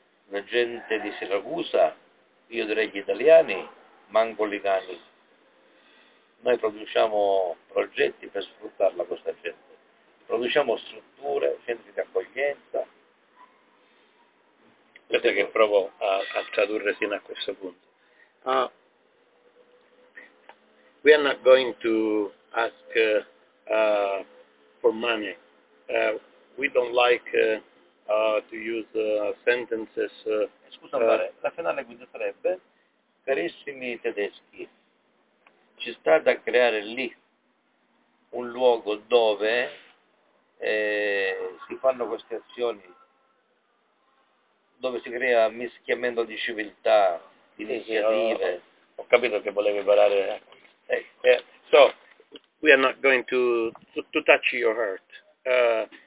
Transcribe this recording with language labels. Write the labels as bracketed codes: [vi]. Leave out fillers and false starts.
[it] La gente di Siracusa, io direi gli italiani, manco li cani. Noi produciamo progetti per sfruttarla questa gente. Produciamo strutture, centri di accoglienza. Questo che provo a tradurre fino a questo punto. [en] We are not going to ask for money. We don't like to use sentences. [it] Scusa, la finale quindi sarebbe: carissimi tedeschi, ci sta da creare lì un luogo dove si fanno queste azioni, dove si crea mischiamento di civiltà, di iniziative. Ho capito che volevi parlare. [en] So we are not going to touch your heart.